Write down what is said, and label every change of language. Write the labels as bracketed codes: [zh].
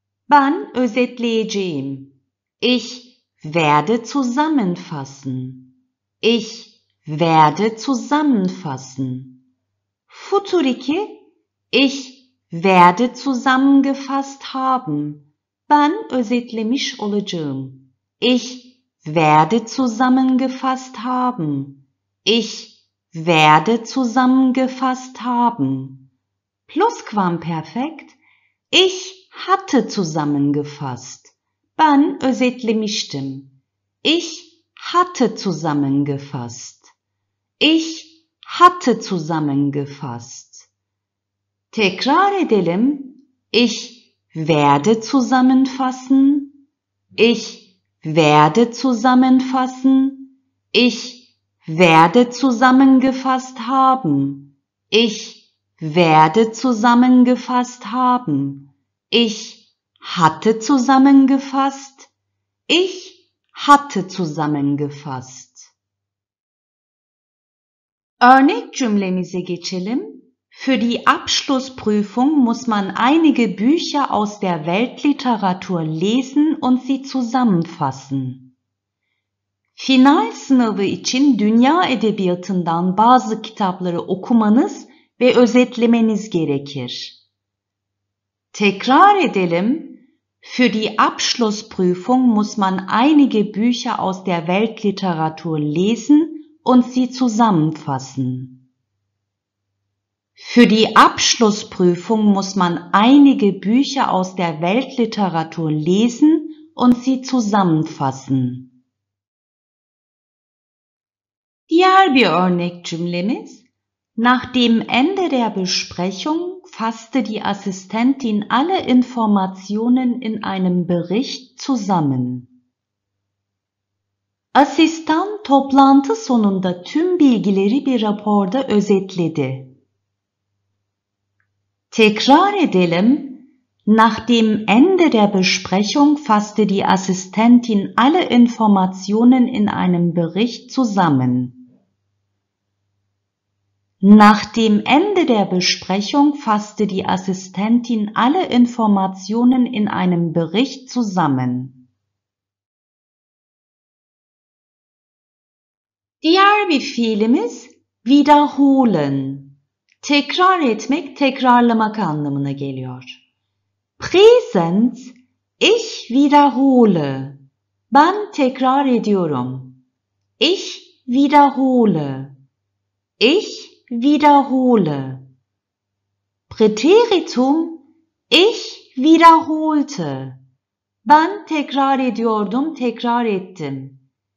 [tr] Ben özetleyeceğim. [de] Ich werde zusammenfassen. Ich werde zusammenfassen. Futur 2. Ich werde zusammengefasst haben. [tr] Ben özetlemiş olacağım. [de] Ich werde zusammengefasst haben. Ich werde zusammengefasst haben. Plusquamperfekt. Ich hatte zusammengefasst. [tr] Ben özetlemiştim. [de] Ich hatte zusammengefasst. Ich hatte zusammengefasst. [tr] Tekrar edelim. [de] Ich werde zusammenfassen. Ich werde zusammenfassen, ich werde zusammengefasst haben, ich werde zusammengefasst haben, ich hatte zusammengefasst, ich hatte zusammengefasst. [tr] Örnek cümlemize geçelim. [de] Für die Abschlussprüfung muss man einige Bücher aus der Weltliteratur lesen und sie zusammenfassen. [tr] Final sınavı için dünya edebiyatından bazı kitapları okumanız ve özetlemeniz gerekir. Tekrar edelim. [de] Für die Abschlussprüfung muss man einige Bücher aus der Weltliteratur lesen und sie zusammenfassen. Für die Abschlussprüfung muss man einige Bücher aus der Weltliteratur lesen und sie zusammenfassen. [tr] Diğer bir örnek cümlemiz. [de] Nach dem Ende der Besprechung fasste die Assistentin alle Informationen in einem Bericht zusammen. [tr] Asistan toplantı sonunda tüm bilgileri bir raporda özetledi. Tekrar edelim. [de] Nach dem Ende der Besprechung fasste die Assistentin alle Informationen in einem Bericht zusammen. Nach dem Ende der Besprechung fasste die Assistentin alle Informationen in einem Bericht zusammen. [tr] Diğer bir fiilimiz wiederholen. Tekrar etmek, tekrarlamak anlamına geliyor. [de] Präsens, ich wiederhole. [tr] Ben tekrar ediyorum. [de] Ich wiederhole. Ich wiederhole. Präteritum, ich wiederholte. [tr] Ben tekrar ediyordum, tekrar ettim.